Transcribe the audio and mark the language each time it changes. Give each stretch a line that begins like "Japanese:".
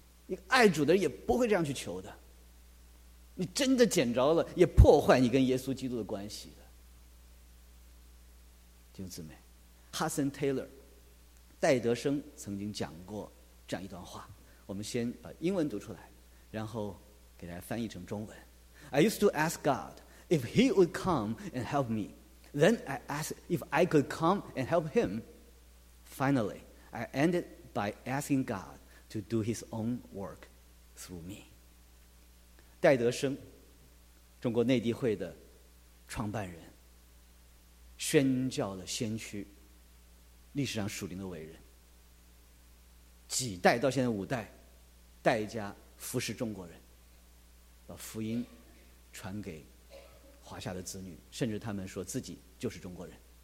Chinese: 你爱主的人也不会这样去求的，你真的捡着了也破坏你跟耶稣基督的关系的。弟兄姊妹，哈森·泰勒戴德生曾经讲过这样一段话，我们先把英文读出来，然后给大家翻译成中文。
English: I used to ask God if he would come and help me. Then I asked if I could come and help him. Finally, I ended by asking God to do his own work through me.
Chinese: 戴德生，中国内地会的创办人，宣教的先驱，历史上属灵的伟人，几代到现在五代，戴家服侍中国人，把福音传给华夏的子女，甚至他们说自己就是中国人。